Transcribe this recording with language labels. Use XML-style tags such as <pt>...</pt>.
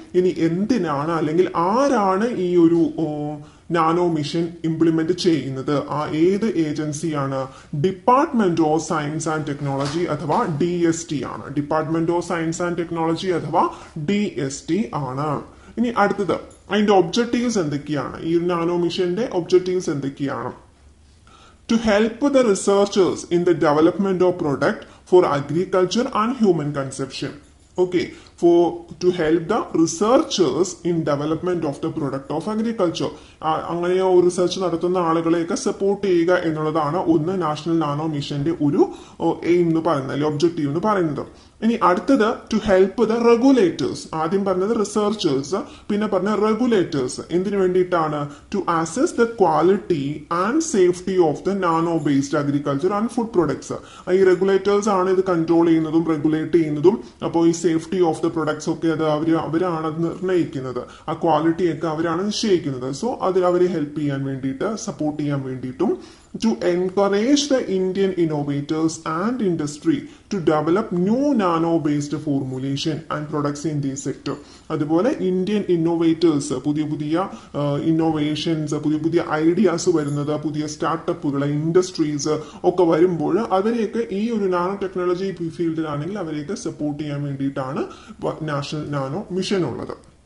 <ml>ഇനി എന്തിനാണ് അല്ലെങ്കിൽ ആരാണ് ഈ ഒരു നാനോ മിഷൻ ഇംപ്ലിമെന്റ് ചെയ്യുന്നത്, ആ ഏത് ഏജൻസിയാണ്? Department of science and technology അഥവാ DST ആണ്, department of science and technology അഥവാ DST ആണ്. ഇനി അടുത്തത് അതിന്റെ ഒബ്ജക്റ്റീവ്സ് എന്തൊക്കെയാണ്, ഈ നാനോ മിഷന്റെ ഒബ്ജക്റ്റീവ്സ് എന്തൊക്കെയാണ്?</ml> <en>To help the researchers in the development of product for agriculture and human consumption. Okay, to help the researchers in development of the product of agriculture.</en> <ml>അങ്ങനെ റിസർച്ച് നടത്തുന്ന ആളുകളെയൊക്കെ സപ്പോർട്ട് ചെയ്യുക എന്നുള്ളതാണ് ഒന്ന് നാഷണൽ നാനോ മിഷന്റെ ഒരു aim എന്ന് പറയുന്നത്, അല്ലെങ്കിൽ ഒബ്ജക്റ്റീവ് എന്ന് പറയുന്നത്. ഇനി അടുത്തത്</ml> <en>to help the regulators,</en> <ml>ആദ്യം പറഞ്ഞത് റിസർച്ചേഴ്സ്, പിന്നെ പറഞ്ഞ റെഗുലേറ്റേഴ്സ്, എന്തിനു വേണ്ടിയിട്ടാണ്?</ml> <en>To assess the quality and safety of the nano based agriculture and food products.</en> <ml>ഈ റെഗുലേറ്റേഴ്സ് ആണ് ഇത് കൺട്രോൾ ചെയ്യുന്നതും റെഗുലേറ്റ് ചെയ്യുന്നതും, അപ്പോൾ ഈ</ml> <en>safety of the products</en> <ml>ഒക്കെ അത് അവരാണ് നിർണ്ണയിക്കുന്നത്, ആ ക്വാളിറ്റിയൊക്കെ അവരാണ് നിശ്ചയിക്കുന്നത്. സോ അതിൽ അവരെ ഹെൽപ്പ് ചെയ്യാൻ വേണ്ടിയിട്ട്, സപ്പോർട്ട് ചെയ്യാൻ വേണ്ടിയിട്ടും.</ml> <en>To encourage the Indian innovators and industry to develop new nano-based formulation and products in this sector.</en> <ml>അതുപോലെ ഇന്ത്യൻ ഇന്നോവേറ്റേഴ്സ്, പുതിയ പുതിയ ഇന്നോവേഷൻസ്, പുതിയ പുതിയ ഐഡിയാസ് വരുന്നത്, പുതിയ സ്റ്റാർട്ടപ്പുകൾ, ഇൻഡസ്ട്രീസ് ഒക്കെ വരുമ്പോൾ അവരെയൊക്കെ ഈ ഒരു നാനോ ടെക്നോളജി ഫീൽഡിലാണെങ്കിൽ അവരെയൊക്കെ സപ്പോർട്ട് ചെയ്യാൻ വേണ്ടിയിട്ടാണ് നാഷണൽ നാനോ മിഷൻ ഉള്ളത്.</ml>